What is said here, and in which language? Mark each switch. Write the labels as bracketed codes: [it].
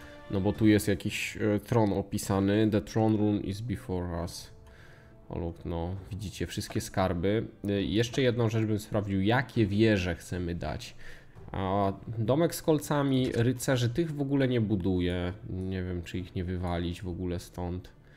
[pl] No bo tu jest jakiś tron opisany. [en] The throne room is before us. [pl] Olup, no widzicie, wszystkie skarby. Jeszcze jedną rzecz bym sprawdził, jakie wieże chcemy dać. A domek z kolcami, rycerzy, tych w ogóle nie buduję. Nie wiem, czy ich nie wywalić w ogóle stąd.